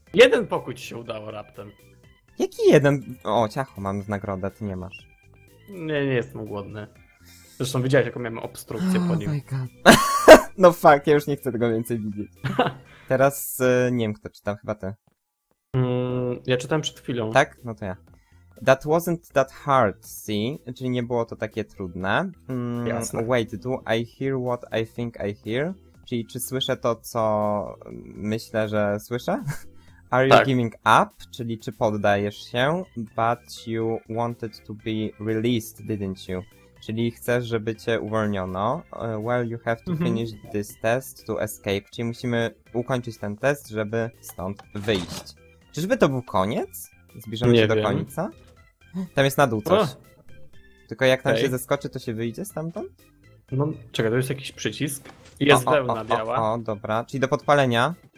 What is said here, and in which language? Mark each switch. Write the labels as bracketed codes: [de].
[pl] Jeden pokój ci się udało raptem. Jaki jeden? O, ciacho, mam w nagrodę, ty nie masz. Nie, nie jestem głodny. Zresztą widziałeś, jaką miałem obstrukcję oh po nim. [en] My god. [pl] No fuck, ja już nie chcę tego więcej widzieć. Teraz nie wiem kto czyta, chyba ty. Ja czytam przed chwilą. Tak? No to ja. [en] That wasn't that hard, see? [pl] Czyli nie było to takie trudne. Jasne. [en] Wait, do I hear what I think I hear? [pl] Czyli czy słyszę to, co myślę, że słyszę? [en] Are you giving up? [pl] Czyli czy poddajesz się? [en] But you wanted to be released, didn't you? [pl] Czyli chcesz, żeby cię uwolniono. [en] Well, you have to finish this test to escape. [pl] Czyli musimy ukończyć ten test, żeby stąd wyjść. Czyżby to był koniec? Zbliżamy nie się wiem. Do końca? Tam jest na dół coś. Tylko jak tam się zeskoczy, to się wyjdzie stamtąd? No, czekaj, to jest jakiś przycisk. Jest pełna biała. O, dobra. Czyli do podpalenia.